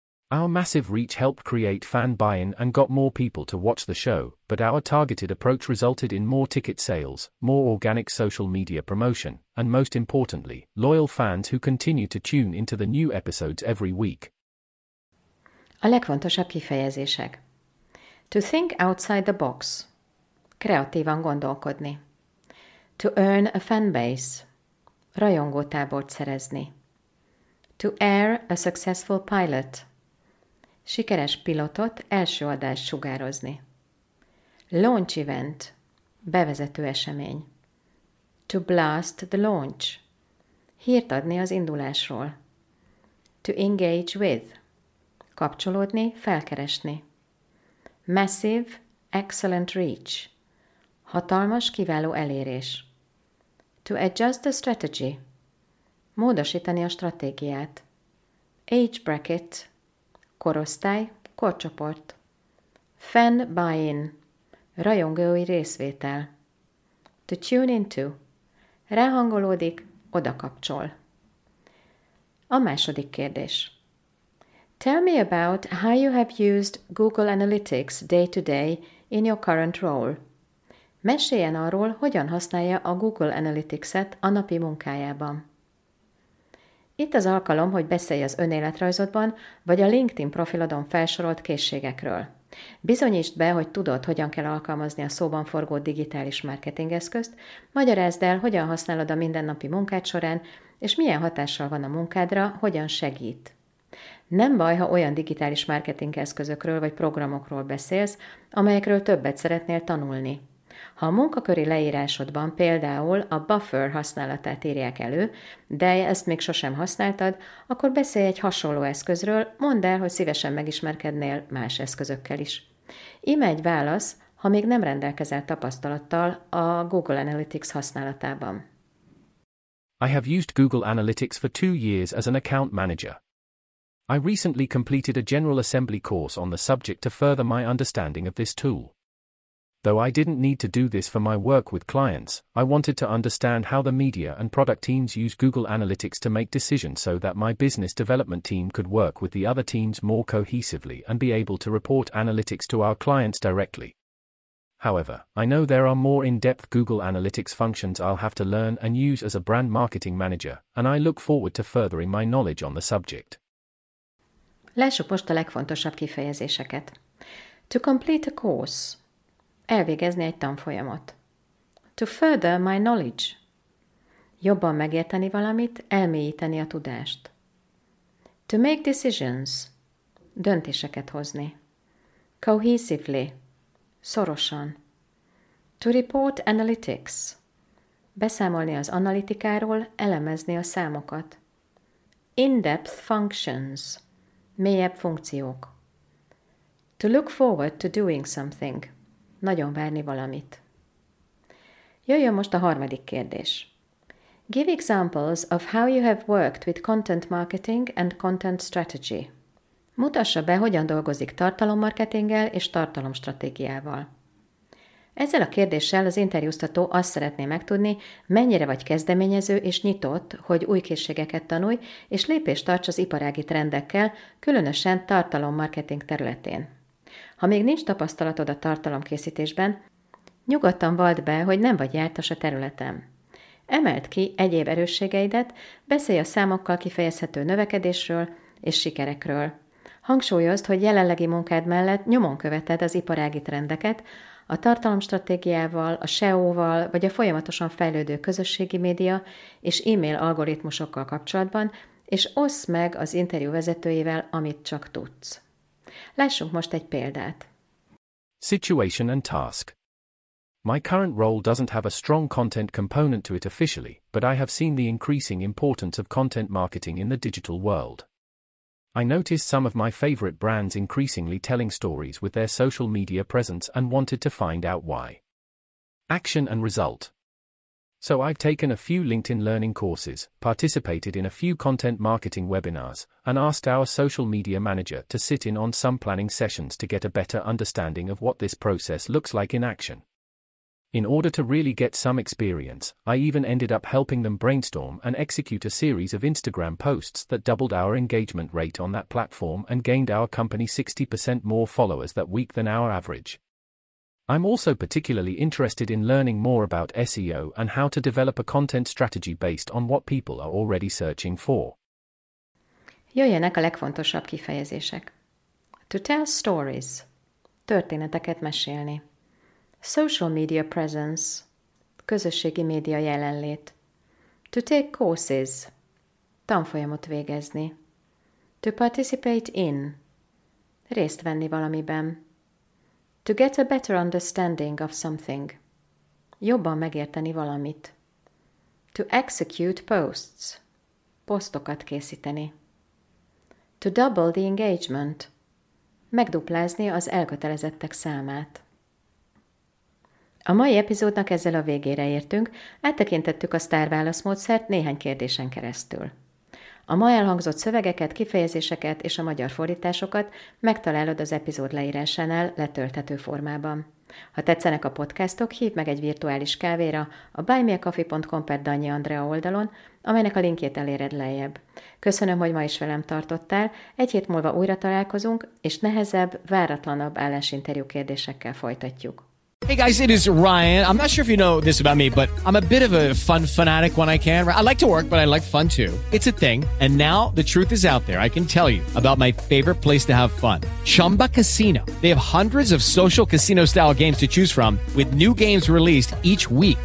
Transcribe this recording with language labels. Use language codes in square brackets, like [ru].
[en] Our massive reach helped create fan buy-in and got more people to watch the show, but our targeted approach resulted in more ticket sales, more organic social media promotion, and most importantly, loyal fans who continue to tune into the new episodes every week. [hu] A legfontosabb kifejezések. [en] To think outside the box. [hu] Kreatívan gondolkodni. [en] To earn a fan base. [hu] Rajongótábort szerezni. [en] To air a successful pilot. [hu] Sikeres pilotot, első adást sugározni. [en] Launch event, [hu] bevezető esemény. [en] To blast the launch, [hu] hírt adni az indulásról. [en] To engage with, [hu] kapcsolódni, felkeresni. [en] Massive, excellent reach, [hu] Hatalmas, kiváló elérés. [en] To adjust the strategy. [hu] Módosítani a stratégiát. [en] Age bracket. [hu] Korosztály, korcsoport. [en] Fan buy-in. [hu] Rajongói részvétel. [en] To tune into. [hu] Ráhangolódik, oda kapcsol. A második kérdés. [en] Tell me about how you have used Google Analytics day-to-day in your current role. [hu] Meséljen arról, hogyan használja a Google Analytics-et a napi munkájában. Itt az alkalom, hogy beszélj az önéletrajzodban, vagy a LinkedIn profilodon felsorolt készségekről. Bizonyítsd be, hogy tudod, hogyan kell alkalmazni a szóban forgó digitális marketingeszközt, magyarázd el, hogyan használod a mindennapi munkád során, és milyen hatással van a munkádra, hogyan segít. Nem baj, ha olyan digitális marketingeszközökről vagy programokról beszélsz, amelyekről többet szeretnél tanulni. Ha a munkaköri leírásodban például a buffer használatát írják elő, de ezt még sosem használtad, akkor beszélj egy hasonló eszközről, mondd el, hogy szívesen megismerkednél más eszközökkel is. Íme egy válasz, ha még nem rendelkezel tapasztalattal a Google Analytics használatában. [en] I have used Google Analytics for 2 years as an account manager. I recently completed a General Assembly course on the subject to further my understanding of this tool. Though I didn't need to do this for my work with clients, I wanted to understand how the media and product teams use Google Analytics to make decisions so that my business development team could work with the other teams more cohesively and be able to report analytics to our clients directly. However, I know there are more in-depth Google Analytics functions I'll have to learn and use as a brand marketing manager, and I look forward to furthering my knowledge on the subject. [hu] Lássuk most a legfontosabb kifejezéseket. [en] To complete a course. [hu] Elvégezni egy tanfolyamot. [en] To further my knowledge. [hu] Jobban megérteni valamit, elmélyíteni a tudást. [en] To make decisions. [hu] Döntéseket hozni. [en] Cohesively. [hu] Szorosan. [en] To report analytics. [hu] Beszámolni az analitikáról, elemezni a számokat. [en] In-depth functions. [hu] Mélyebb funkciók. [en] To look forward to doing something. [hu] Nagyon várni valamit. Jöjjön most a harmadik kérdés. [en] Give examples of how you have worked with content marketing and content strategy. [hu] Mutassa be, hogyan dolgozik tartalommarketinggel és tartalomstratégiával. Ezzel a kérdéssel az interjúztató azt szeretné megtudni, mennyire vagy kezdeményező és nyitott, hogy új készségeket tanulj, és lépést tarts az iparági trendekkel, különösen tartalommarketing területén. Ha még nincs tapasztalatod a tartalomkészítésben, nyugodtan valld be, hogy nem vagy jártas a területen. Emeld ki egyéb erősségeidet, beszélj a számokkal kifejezhető növekedésről és sikerekről. Hangsúlyozd, hogy jelenlegi munkád mellett nyomon követed az iparági trendeket, a tartalomstratégiával, a SEO-val vagy a folyamatosan fejlődő közösségi média és e-mail algoritmusokkal kapcsolatban, és oszd meg az interjú vezetőivel, amit csak tudsz. Lássunk most egy példát. [en] Situation and task. My current role doesn't have a strong content component to it officially, but I have seen the increasing importance of content marketing in the digital world. I noticed some of my favorite brands increasingly telling stories with their social media presence and wanted to find out why. Action and result. So I've taken a few LinkedIn learning courses, participated in a few content marketing webinars, and asked our social media manager to sit in on some planning sessions to get a better understanding of what this process looks like in action. In order to really get some experience, I even ended up helping them brainstorm and execute a series of Instagram posts that doubled our engagement rate on that platform and gained our company 60% more followers that week than our average. I'm also particularly interested in learning more about SEO and how to develop a content strategy based on what people are already searching for. [hu] Jöjjenek a legfontosabb kifejezések. [en] To tell stories. [hu] Történeteket mesélni. [en] Social media presence. [hu] Közösségi média jelenlét. [en] To take courses. [hu] Tanfolyamot végezni. [en] To participate in. [hu] Részt venni valamiben. [en] To get a better understanding of something. [hu] Jobban megérteni valamit. [en] To execute posts. [hu] Posztokat készíteni. [en] To double the engagement. [hu] Megduplázni az elkötelezettek számát. A mai epizódnak ezzel a végére értünk, áttekintettük a sztárválasz módszert néhány kérdésen keresztül. A ma elhangzott szövegeket, kifejezéseket és a magyar fordításokat megtalálod az epizód leírásánál letölthető formában. Ha tetszenek a podcastok, hívd meg egy virtuális kávéra a buymeacoffee.com/Dani Andrea oldalon, amelynek a linkjét eléred lejjebb. Köszönöm, hogy ma is velem tartottál, egy hét múlva újra találkozunk, és nehezebb, váratlanabb állásinterjú kérdésekkel folytatjuk. [en] Hey guys, it is Ryan. I'm not sure if you know this about me, but I'm a bit of a fun fanatic when I can. I like to work, but I like fun too. It's a thing. And now the truth is out there. I can tell you about my favorite place to have fun. Chumba Casino. They have hundreds of social casino style games to choose from with new games released each week.